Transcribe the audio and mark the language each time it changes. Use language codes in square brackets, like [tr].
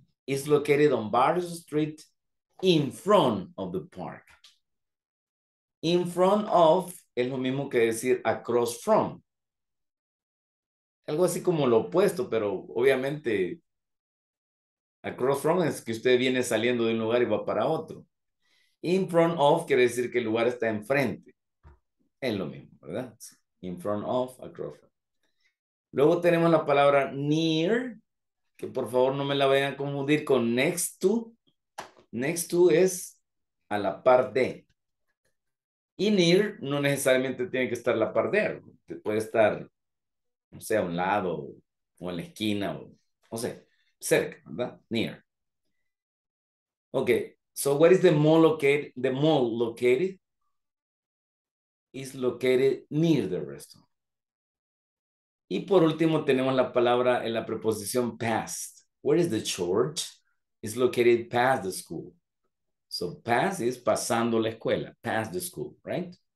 [en] It's located on Barrios Street in front of the park. [es] In front of es lo mismo que decir across from. Algo así como lo opuesto, pero obviamente across from es que usted viene saliendo de un lugar y va para otro. In front of quiere decir que el lugar está enfrente. Es lo mismo, ¿verdad? In front of, across from. Luego tenemos la palabra near. Que por favor no me la vayan a confundir con next to. Next to es a la par de. Y near no necesariamente tiene que estar a la par de. Puede estar, no sé, a un lado o en la esquina. O no sé, cerca, ¿verdad? [en] Near. Okay, so where is the mall located? The mall located is located near the restaurant. [es] Y por último tenemos la palabra en la preposición past. [en] Where is the church? It's located past the school. So past is [es] pasando la escuela, [en] past the school, right?